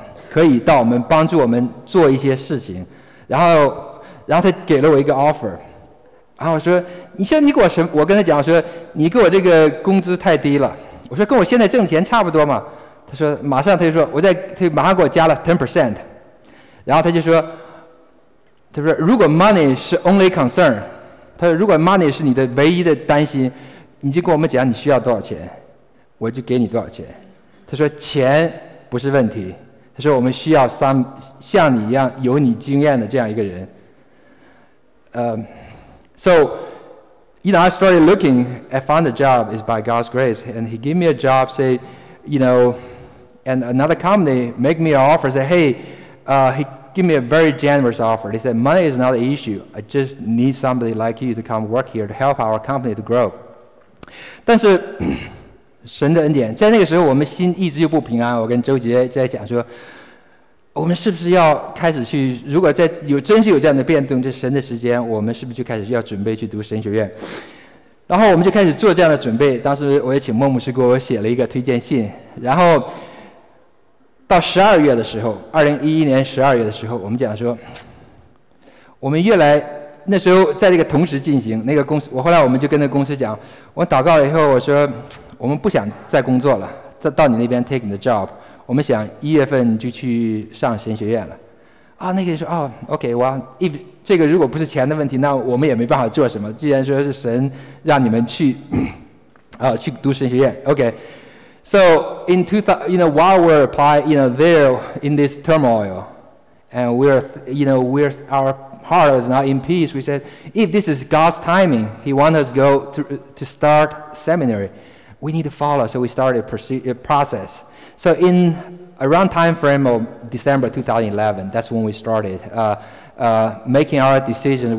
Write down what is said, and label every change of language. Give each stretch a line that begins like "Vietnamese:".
Chinese: 可以到我们帮助我们做一些事情，然后他给了我一个 offer， 然后我说你现在你给我什么，我跟他讲说你给我这个工资太低了，我说跟我现在挣钱差不多嘛，他说马上他就说他马上给我加了 10%， 然后他就说，他说如果 money 是
English: only concern，
Chinese: 他说如果 money 是你的唯一的担心，你就跟我们讲你需要多少钱，我就给你多少钱。他说钱不是问题，他说我们需要像你一样有你经验的这样一个人。
English: So you know, I started looking, I found a job is by God's grace, and he gave me a job, say, you know, and another company make me an offer, say, hey, give me a very generous offer. They said, money is not an issue. I just need somebody like you to come work here to help our company to grow.
Chinese: 但是神的恩典，在那个时候我们心一直又不平安，我跟周杰在讲说，我们是不是要开始去，如果在有真是有这样的变动，这神的时间，我们是不是就开始要准备去读神学院。然后我们就开始做这样的准备，当时我也请孟牧师给我写了一个推荐信，然后到12月的时候，2011年12月的时候，我们讲说，我们越来那时候在这个同时进行那个公司，我后来我们就跟那个公司讲，我祷告了以后，我说我们不想再工作了，再到你那边
English: take the job，
Chinese: 我们想1月份就去上神学院了。啊，那个人说，哦 ，OK， 哇，这个如果不是钱的问题，那我们也没办法做什么。既然说是神让你们去，去读神学院 ，OK。
English: So in 2000, you know, while we're applying, you know, there in this turmoil, and our heart is not in peace, we said, if this is God's timing, he wants us to start seminary, we need to follow. So we started a process. So in around time frame of December 2011, that's when we started making our decision.